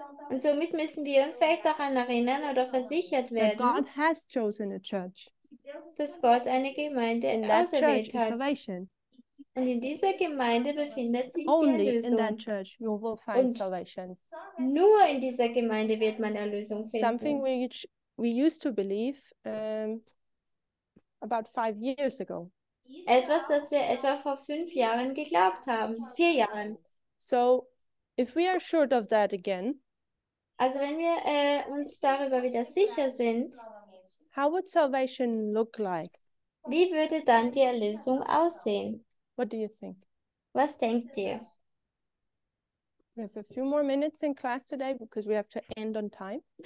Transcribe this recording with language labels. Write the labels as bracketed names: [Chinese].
[German] Und somit müssen wir uns vielleicht daran erinnern oder versichert werden, [English] that God has chosen a church. [German] Dass Gott eine Gemeinde auserwählt hat. Und in dieser Gemeinde befindet sich [English] only [German] die Erlösung. [English] In that church you will find [German] und [English] salvation. [German] Nur in dieser Gemeinde wird man Erlösung finden. [English] Something which we used to believe about 5 years ago. [German] Etwas, das wir etwa vor 5 Jahren geglaubt haben. 4 Jahren. [English] So, if we are assured of that again, [German] also wenn wir uns darüber wieder sicher sind, [English] how would salvation look like? [German] Wie würde dann die Erlösung aussehen? [English] What do you think? [German] Was denkt ihr? [English] We have a few more minutes in class today because we have to end on time.